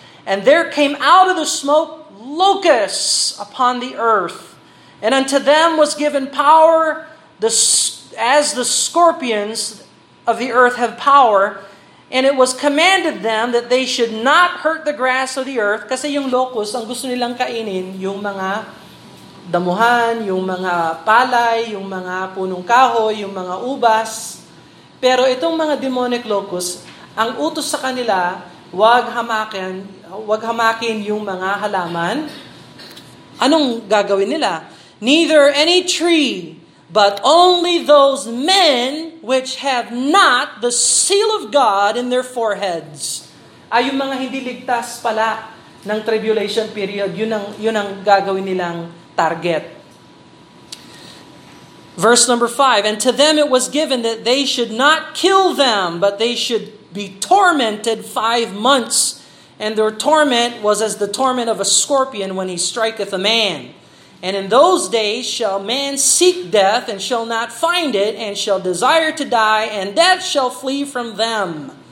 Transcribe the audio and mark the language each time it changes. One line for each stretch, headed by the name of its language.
English: And there came out of the smoke locusts upon the earth. And unto them was given power as the scorpions of the earth have power. And it was commanded them that they should not hurt the grass of the earth.
Filipino: Kasi yung locust, ang gusto nilang kainin, yung mga damuhan, yung mga palay, yung mga punong kahoy, yung mga ubas. Pero itong mga demonic locust, ang utos sa kanila, wag hamakin yung mga halaman. Anong gagawin nila?
English: Neither any tree But only those men which have not the seal of God in their foreheads.
Filipino: Ay, yung mga hindi ligtas pala ng tribulation period, yun ang gagawin nilang target.
English: Verse number 5, and to them it was given that they should not kill them, but they should be tormented 5 months. And their torment was as the torment of a scorpion when he striketh a man. And in those days shall man seek death and shall not find it, and shall desire to die, and death shall flee from them.